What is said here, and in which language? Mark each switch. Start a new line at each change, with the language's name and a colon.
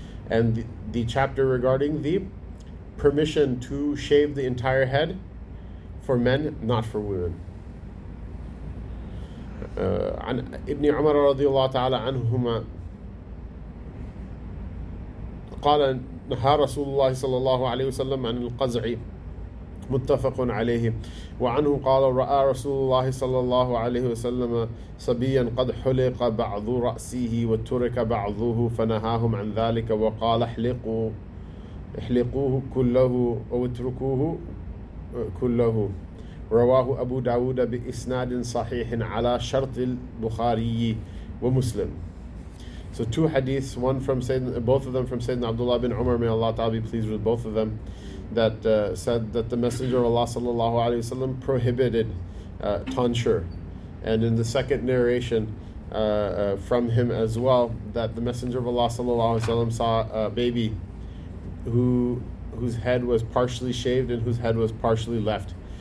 English: And the chapter regarding the permission to shave the entire head for men, not for women.
Arabic: عن ابن عمر رضي الله تعالى عنهما قال نهى رسول الله صلى الله عليه وسلم عن القزع متفق عليه وعنه قال رأى رسول الله صلى الله عليه وسلم صبيا قد حلق بعض رأسه وترك بعضه فنهاهم عن ذلك وقال احلقوه كله أو اتركوه كله رواه أبو داود بإسناد صحيح على شرط البخاري ومسلم.
English: So two hadiths, both of them from Sayyidina Abdullah bin Umar, may Allah ta'ala be pleased with both of them, that said that the Messenger of Allah sallallahu alaihi wasallam prohibited tonsure. And in the second narration from him as well, that the Messenger of Allah sallallahu alaihi wasallam saw a baby whose head was partially shaved and whose head was partially left.